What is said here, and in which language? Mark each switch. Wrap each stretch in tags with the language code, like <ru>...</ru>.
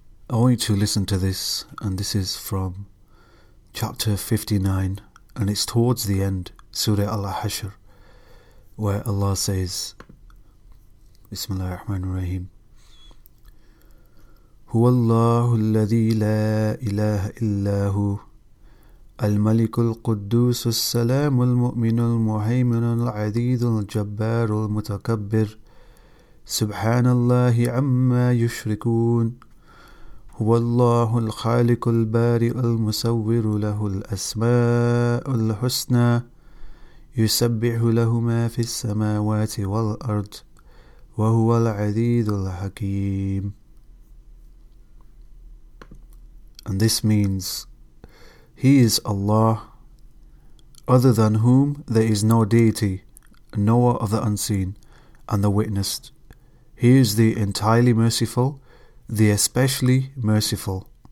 <en>I want you to listen to this, and this is from chapter 59, and it's towards the end, Surah Al-Hashr, where Allah says, Bismillah ar-Rahman ar-Rahim.</en> <ar>هو الله الذي لا إله إلا هو الملك القدوس السلام المؤمن المهيمن العزيز الجبار المتكبر سبحان الله عما يشركون هو الله الخالق البارئ المصور له الأسماء الحسنى يسبح له ما في السماوات والأرض وهو العزيز الحكيم.</ar> <en>And this means, He is Allah, other than whom there is no deity, knower of the unseen, and the witnessed. He is the entirely merciful, the especially merciful.</en>